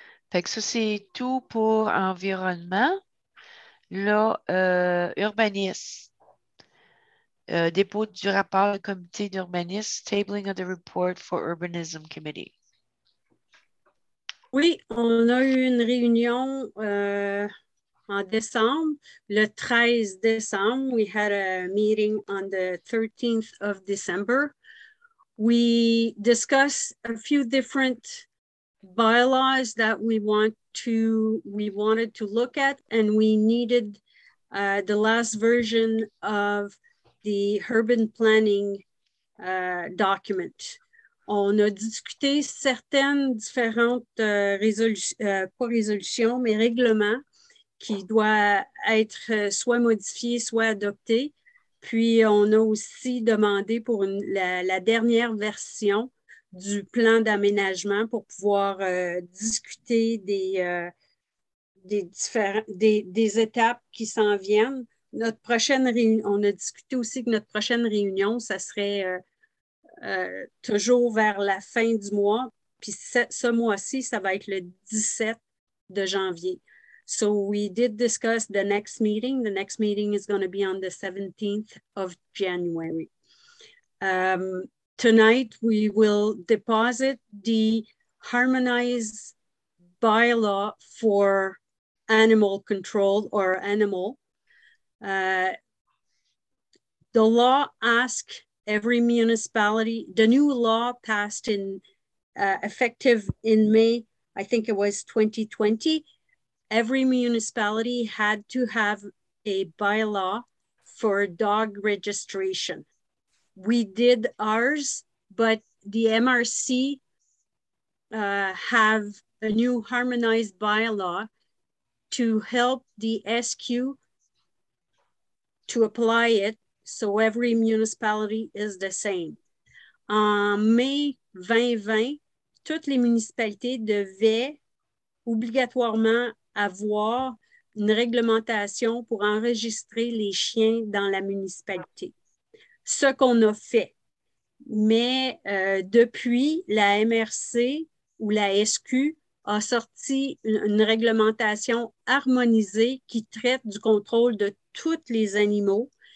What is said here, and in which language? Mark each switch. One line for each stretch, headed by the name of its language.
French: Fait que ça, c'est tout pour environnement. Là, urbanisme. Dépôt du rapport du comité d'urbanisme,
English: tabling of the report for urbanism committee.
French: Oui, on a eu une réunion en décembre, le 13 décembre.
English: We had a meeting on the 13th of December. We discussed a few different bylaws that we wanted to look at, and we needed the last version of the urban planning document.
French: On a discuté certaines différentes règlements qui doivent être soit modifiés, soit adoptés. Puis on a aussi demandé pour la dernière version du plan d'aménagement pour pouvoir discuter des étapes qui s'en viennent. Notre prochaine réunion, on a discuté aussi que notre prochaine réunion, ça serait toujours vers la fin du mois. Puis ce mois-ci, ça va être le 17 de janvier.
English: So we did discuss the next meeting. The next meeting is going to be on the 17th of January. Tonight, we will deposit the harmonized bylaw for animal control or animal. The law asks every municipality, the new law passed in effective in May, I think it was 2020. Every municipality had to have a bylaw for dog registration. We did ours, but the MRC have a new harmonized bylaw to help the SQ to apply it so every municipality is the same.
French: En mai 2020, toutes les municipalités devaient obligatoirement avoir une réglementation pour enregistrer les chiens dans la municipalité. Ce qu'on a fait. Mais depuis, la MRC ou la SQ a sorti une réglementation harmonisée qui traite du contrôle de tous les animaux.